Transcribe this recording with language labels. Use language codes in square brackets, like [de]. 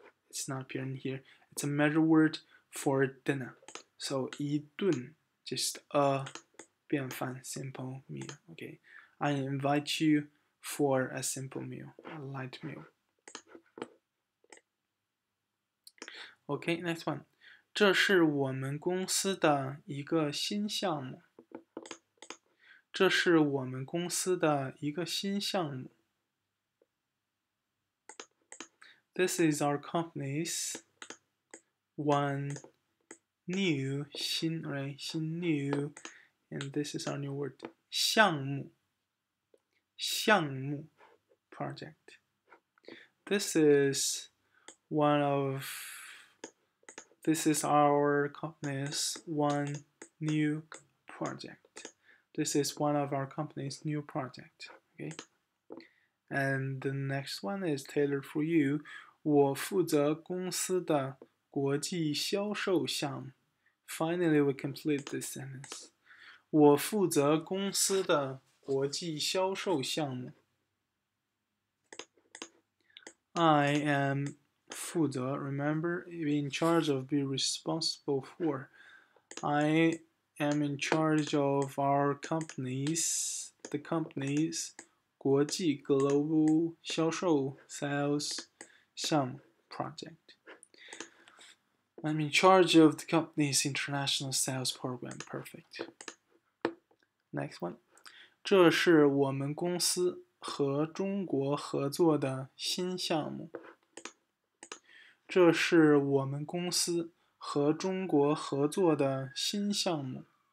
[en] It's not appearing here. It's a measure word for dinner. So, 一顿, just a 便饭, simple meal. Okay. I invite you for a simple meal, a light meal. Okay, next one. [zh] 这是我们公司的一个新项目。这是我们公司的一个新项目。 [en] This is our company's one new, 新, right? 新 new, and this is our new word, [zh] 项目, 项目, [en] project. This is one of, this is our company's one new project. This is one of our company's new project, okay? And the next one is tailored for you. [zh] 我负责公司的国际销售项目。 [en] Finally, we complete this sentence. [zh] 我负责公司的国际销售项目。 [en] I am 负责, remember, in charge of, be responsible for. I am in charge of our companies, the companies, [zh] 国际 global 销售 [en] sales,Some project. I'm in charge of the company's international sales program. Perfect. Next one. [zh] 这是我们公司和中国合作的新项目。这是我们公司和中国合作的新项目。